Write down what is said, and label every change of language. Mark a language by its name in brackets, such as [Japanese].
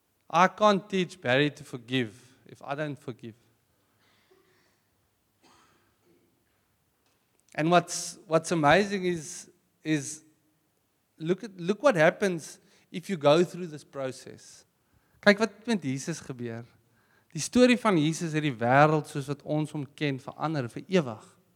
[English] I can't teach Barry to forgive if I don't forgive. And what's amazing is look what happens if you go through this process. [Afrikaans] Kyk wat met Jesus gebeur. Die storie van Jesus het die wêreld soos wat ons hom ken verander vir ewig.